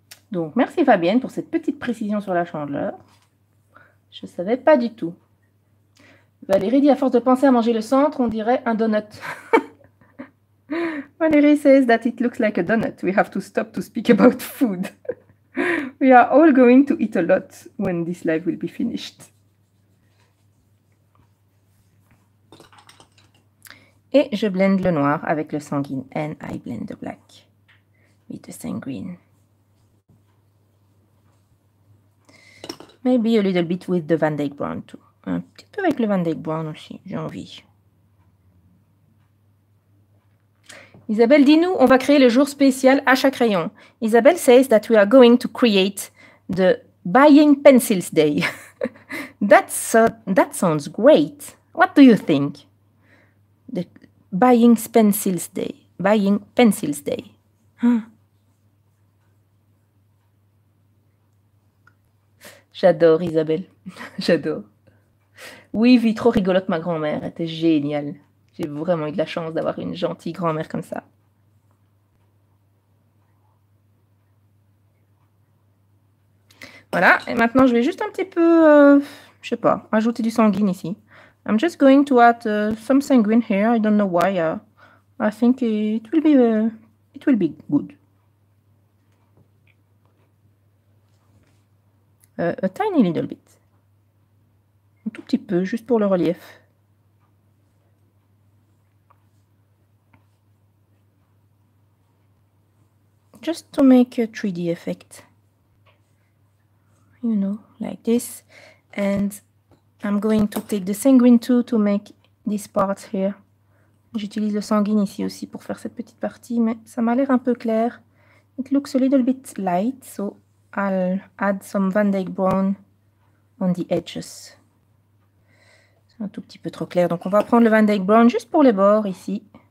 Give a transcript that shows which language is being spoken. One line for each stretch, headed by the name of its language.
French: Donc, merci Fabienne pour cette petite précision sur la chandeleur. Je ne savais pas du tout. Valérie dit, à force de penser à manger le centre, on dirait un donut.
English: Valérie says that it looks like a donut. We have to stop to speak about food. We are all going to eat a lot when this live will be finished.
French: Et je blend le noir avec le sanguine.
English: And I blend the black with the sanguine. Maybe a little bit with the Van Dyke Brown too.
French: Un petit peu avec le Van Dyke Brown aussi, j'ai envie. Isabelle, dis-nous, on va créer le jour spécial à chaque rayon.
English: Isabelle says that we are going to create the Buying Pencils Day. That sounds great. What do you think? The Buying Pencils Day. Buying Pencils Day. Huh?
French: J'adore Isabelle. J'adore. Oui, vie trop rigolote, ma grand-mère. Elle était géniale. J'ai vraiment eu de la chance d'avoir une gentille grand-mère comme ça. Voilà, et maintenant je vais juste un petit peu, je sais pas, ajouter du sanguine ici.
English: I'm just going to add some sanguine here, I don't know why. I think it will be good. A tiny little bit.
French: Un tout petit peu, juste pour le relief.
English: Just to make a 3D effect. You know, like this. And I'm going to take the sanguine too to make this part here.
French: J'utilise le sanguine ici aussi pour faire cette petite partie, mais ça m'a l'air un peu clair.
English: It looks a little bit light, so I'll add some Van Dyck Brown on the edges.
French: C'est un tout petit peu trop clair, donc on va prendre le Van Dyck Brown juste pour les bords ici.